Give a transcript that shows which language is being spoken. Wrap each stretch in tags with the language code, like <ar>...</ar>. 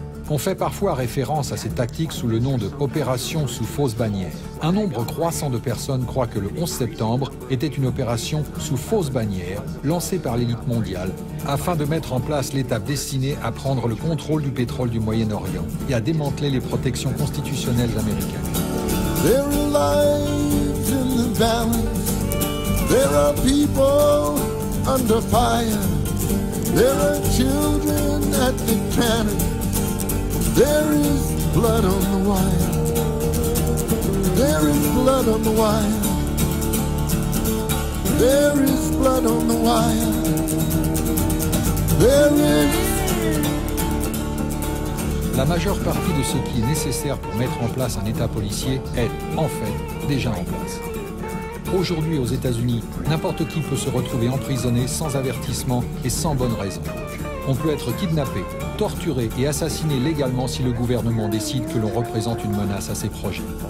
<fr>On fait parfois référence à ces tactiques sous le nom de « opération sous fausse bannière ». Un nombre croissant de personnes croient que le 11 septembre était une opération sous fausse bannière lancée par l'élite mondiale afin de mettre en place l'étape destinée à prendre le contrôle du pétrole du Moyen-Orient et à démanteler les protections constitutionnelles américaines.</fr> <en>There are lives in the valley. There are people under fire. There are children at the cannon. There is blood on the wire. There is blood on the wire. There is blood on the wire. There is.</en> <fr>La majeure partie de ce qui est nécessaire pour mettre en place un État policier est, en fait, déjà en place. Aujourd'hui, aux États-Unis, n'importe qui peut se retrouver emprisonné sans avertissement et sans bonne raison. On peut être kidnappé, torturé et assassiné légalement si le gouvernement décide que l'on représente une menace à ses projets.</fr>